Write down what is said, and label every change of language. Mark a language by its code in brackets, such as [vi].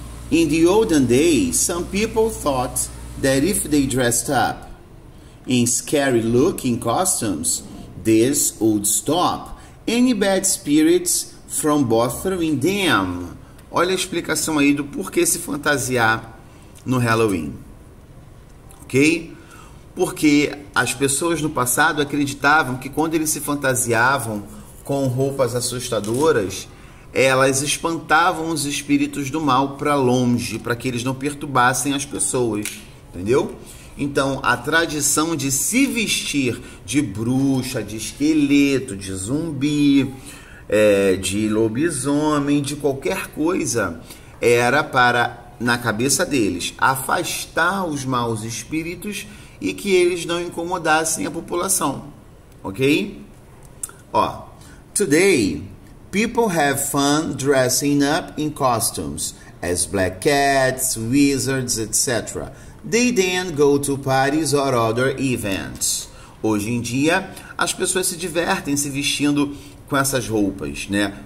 [en] In the olden days, some people thought that if they dressed up in scary-looking costumes, this would stop any bad spirits from bothering them. [pt] Olha a explicação aí do porquê se fantasiar no Halloween. Ok? Porque as pessoas no passado acreditavam que quando eles se fantasiavam com roupas assustadoras, elas espantavam os espíritos do mal para longe, para que eles não perturbassem as pessoas. Entendeu? Então, a tradição de se vestir de bruxa, de esqueleto, de zumbi, de lobisomem, de qualquer coisa, era para, na cabeça deles, afastar os maus espíritos e que eles não incomodassem a população. [en] Ok? Ó, today, people have fun dressing up in costumes as black cats, wizards, etc. They then go to parties or other events. [pt] Hoje em dia, as pessoas se divertem se vestindo com essas roupas, né?